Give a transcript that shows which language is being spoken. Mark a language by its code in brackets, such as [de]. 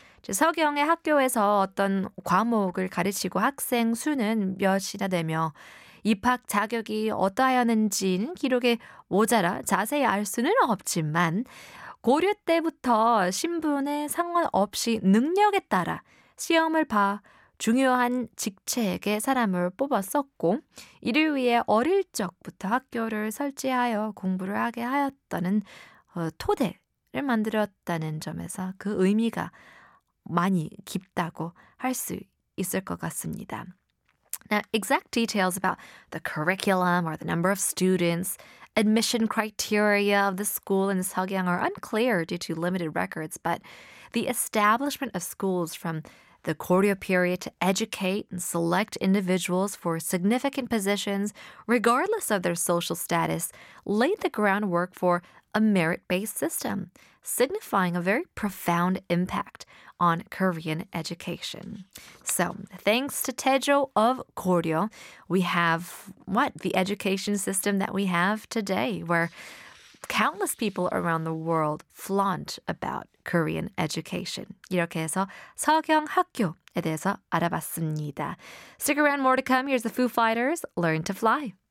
[ko] 서경의 학교에서 어떤 과목을 가르치고 학생 수는 몇이나 되며 입학 자격이 어떠하였는지는 기록에 모자라 자세히 알 수는 없지만 고려 때부터 신분에 상관없이 능력에 따라 시험을 봐 중요한 직책의 사람을 뽑았었고 이를 위해 어릴 적부터 학교를 설치하여 공부를 하게 하였다는 토대를 만들었다는 점에서 그 의미가 많이 깊다고 할 수 있을 것 같습니다. [en] Now, exact details about the curriculum or the number of students, admission criteria of the school in Seogyeong are unclear due to limited records, but the establishment of schools from the Goryeo period to educate and select individuals for significant positions, regardless of their social status, laid the groundwork for a merit-based system, signifying a very profound impact on Korean education. So, thanks to Taejo of Goryeo, we have what? The education system that we have today, where countless people around the world flaunt about Korean education. [ko] 이렇게 해서 서경 학교에 대해서 알아봤습니다. [en] Stick around, more to come. Here's the Foo Fighters, Learn to Fly.